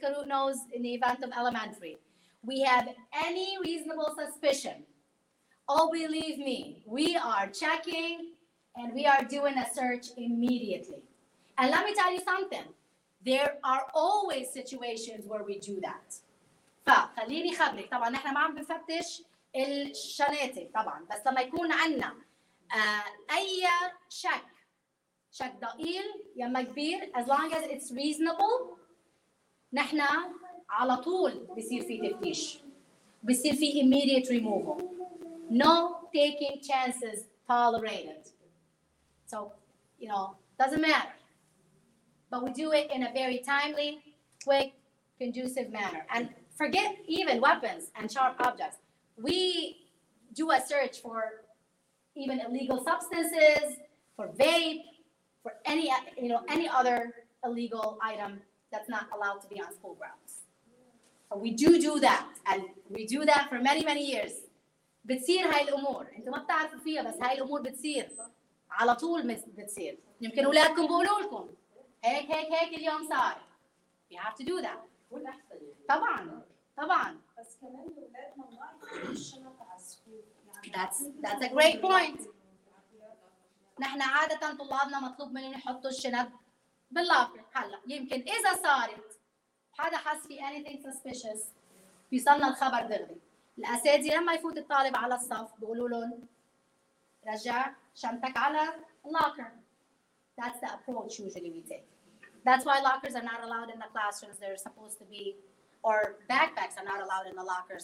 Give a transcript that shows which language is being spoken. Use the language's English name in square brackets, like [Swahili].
[English] Karut knows, in the event of elementary, we have any reasonable suspicion. Oh, believe me, we are checking and we are doing a search immediately. And let me tell you something. There are always situations where we do that. [Arabic] فخليني خبرك طبعا نحن ما عم بنفتش الشنطة طبعا بس لما يكون عندنا أي شك شك ضئيل يا ما كبير [English] as long as it's reasonable [Arabic] نحن على طول بصير في تفتيش بصير في [English] immediate removal. No taking chances tolerated. So, you know, doesn't matter. But we do it in a very timely, quick, conducive manner. And forget even weapons and sharp objects. We do a search for even illegal substances, for vape, for any, you know, any other illegal item that's not allowed to be on school grounds. But we do that, and we do that for many, many years. [Arabic] بتصير هاي الأمور. أنت ما بتعرفوا فيها بس هاي الأمور بتصير. على طول بتصير. يمكن أولادكم بقولوا لكم. هيك هيك هيك اليوم صار. [English] You have to do that. [Arabic] طبعاً. طبعاً. بس كمان أولادنا ما يحطوش شنطة على السكول. [English] That's a great point. [Arabic] نحن عادة طلابنا مطلوب منهم يحطوا الشنط باللوكر. هلا يمكن إذا صارت حدا حس في [English] anything suspicious [Arabic] بيصلنا الخبر دغري. الأساتذة لما يفوت الطالب على الصف بيقولوا لهم رجع شنطتك على اللوكر. [English] That's the approach usually we take. That's why lockers are not allowed in the classrooms. They're supposed to be, or backpacks are not allowed in the lockers.